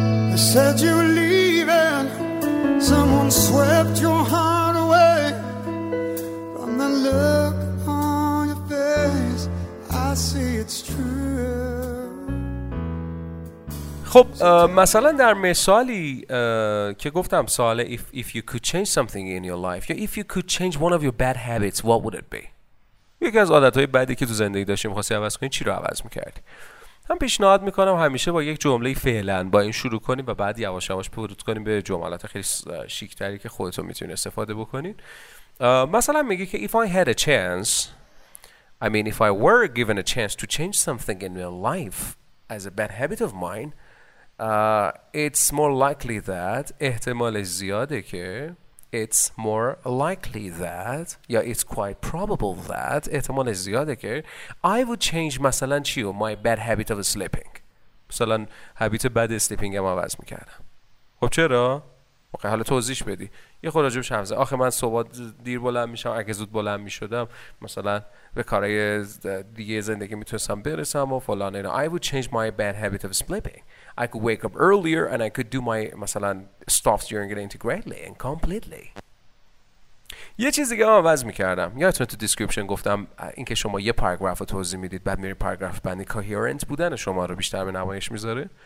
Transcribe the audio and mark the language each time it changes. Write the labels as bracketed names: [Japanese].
[English] They said you were leaving. Someone swept your heart away. From the look on your face, I see it's true. [Persian] خب مثلا در مثالی که گفتم سوال [English] if you could change something in your life، if you could change one of your bad habits, what would it be؟ [Persian] یکی از عادت‌های بدی که تو زندگی داشتی می‌خواستی عوض کنی چی رو عوض می‌کردی؟ من پیشنهاد می‌کنم همیشه با یک جمله فعلا با این شروع کنیم و بعد یواش یواش پرود کنیم به جملات خیلی شیک‌تری که خودت می‌تونی استفاده بکنید. مثلا میگی که [English] if I had a chance، I mean if I were given a chance to change something in my life as a bad habit of mine، it's more likely that [Persian] احتمال زیاده که [English] it's more likely that [Persian] یا [English] it's quite probable that [Persian] احتمال زیاده که [English] I would change [Persian] مثلا چیو [English] my bad habit of sleeping، [Persian] مثلا habit بد sleeping هم عوض میکردم. خب چرا؟ خب حالا توضیح بدی یه خود راجب شمزه. آخه من صبح دیر بلند میشم، اگه زود بلند میشدم مثلا به کارهای دیگه زندگی میتونستم برسم و فلان اینا. [English] I would change my bad habit of sleeping. I could wake up earlier and I could do my [Persian] مثلا [English] stuff during it integrally and completely. [Persian] یه چیز دیگه هم عوض میکردم. یادتون تو دیسکریپشن گفتم اینکه شما یه پاراگراف رو توضیح میدید بعد میری پاراگراف بندی، کوهرنت بودن شما رو بیشتر به نمایش میذاره.